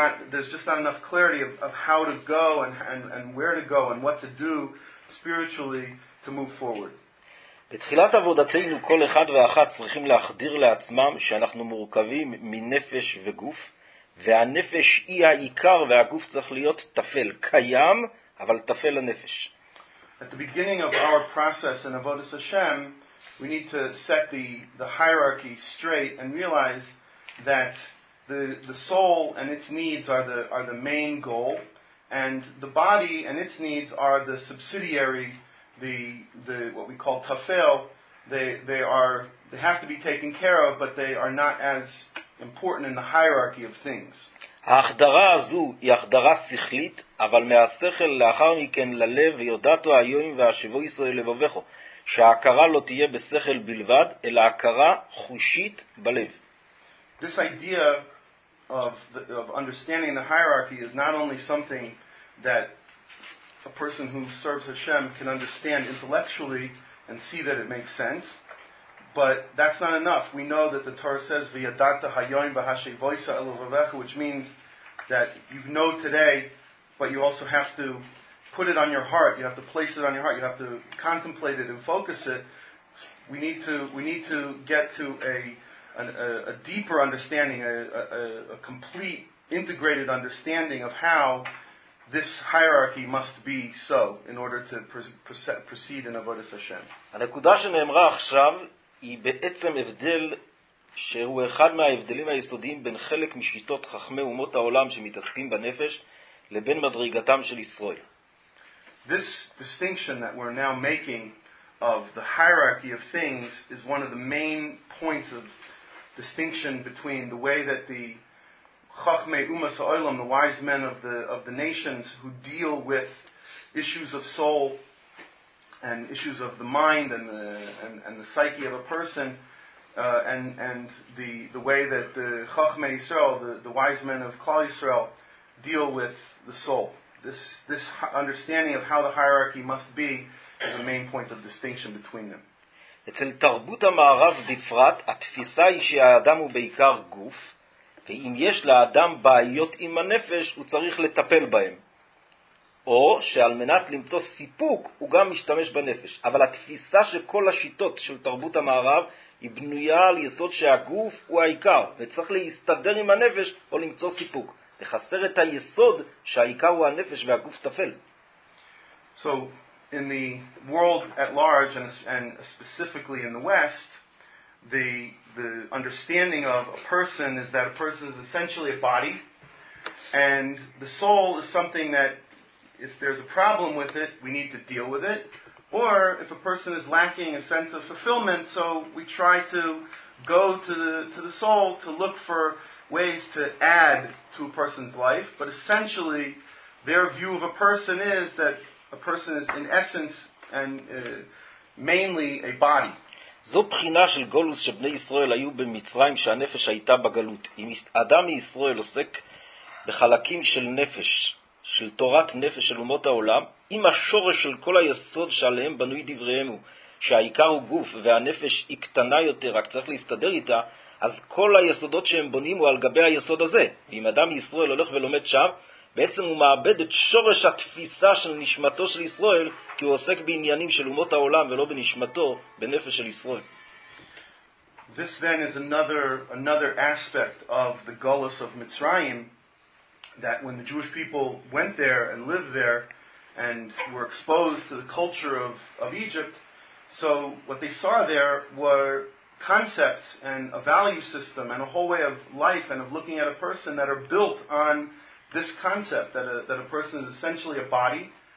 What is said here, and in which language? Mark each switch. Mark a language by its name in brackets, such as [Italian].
[English] There's just not enough clarity of how to go and where to go and what to do spiritually to move forward. [Hebrew] בתחילת עבודתנו כל אחד ואחת צריכים להחדיר לעצמם שאנחנו מורכבים מנפש וגוף, והנפש היא העיקר והגוף צריך להיות תפל, קיים אבל תפל הנפש. [English] At the beginning of our process in Avodas Hashem, we need to set the hierarchy straight and realize that the soul and its needs are the main goal, and the body and its needs are the subsidiary, the what we call tafel. They have to be taken care of, but they are not as important in the hierarchy of things. [Hebrew] ההחדרה הזו היא החדרה שכלית, אבל מהשכל לאחר מכן ללב, יודעתו היום והשבו ישראל לבבכו, שההכרה לא תהיה בשכל בלבד, אלא הכרה חושית בלב. [English] This idea of understanding the hierarchy is not only something that a person who serves Hashem can understand intellectually and see that it makes sense, but that's not enough. We know that the Torah says [Hebrew] v'yadata hayoyim v'hashevoisa elavavecha, [English] which means that you know today, but you also have to put it on your heart. You have to place it on your heart. You have to contemplate it and focus it. We need to get to a deeper understanding, a complete integrated understanding of how this hierarchy must be so in order to proceed in Avodas Hashem. [Hebrew] הנקודה שנאמרה עכשיו היא בעצם הבדל שהוא אחד מההבדלים היסודיים בין חלק משיטות חכמי אומות העולם שמתעסקים בנפש לבין מדרגתם של ישראל. [English] This distinction that we're now making of the hierarchy of things is one of the main points of distinction between the way that the Chachmei Umas HaOlam, the wise men of the nations who deal with issues of soul and issues of the mind and the psyche of a person, and the way that the Chachmei Yisrael, the wise men of Klal Yisrael, deal with the soul. This understanding of how the hierarchy must be is a main point of distinction between them. [Hebrew] אצל תרבות המערב בפרט, התפיסה היא שהאדם הוא בעיקר גוף, ואם יש לאדם בעיות עם הנפש, הוא צריך לטפל בהם. או שעל מנת למצוא סיפוק הוא גם משתמש בנפש. אבל התפיסה של כל השיטות של תרבות המערב היא בנויה על יסוד שהגוף הוא העיקר, וצריך להסתדר עם הנפש או למצוא סיפוק. לחסר את היסוד שהעיקר הוא הנפש והגוף תפל. [English] So in the world at large and specifically in the West, the understanding of a person is that a person is essentially a body, and the soul is something that if there's a problem with it, we need to deal with it, or if a person is lacking a sense of fulfillment, so we try to go to the soul to look for ways to add to a person's life. But essentially their view of a person is that a person is in essence and mainly a body. [Hebrew] זו בחינה של גולוס שבני ישראל היו במצרים שהנפש הייתה בגלות. אם אדם מישראל עוסק בחלקים של נפש, של תורת נפש של אומות העולם, אם השורש של כל היסוד שעליהם בנוי דבריהם הוא שהעיקר הוא גוף והנפש היא קטנה יותר, רק צריך להסתדר איתה, אז כל היסודות שהם בונים הוא על גבי היסוד הזה. ואם אדם מישראל הולך ולומד שם, בעצם הוא מאבד את שורש התפיסה של נשמתו של ישראל, כי הוא עוסק בעניינים של אומות העולם ולא בנשמתו, בנפש של ישראל. [English] This then is another aspect of the gullus of Mitzrayim, that when the Jewish people went there and lived there and were exposed to the culture of Egypt, so what they saw there were concepts and a value system and a whole way of life and of looking at a person that are built on this concept that a person is essentially a body,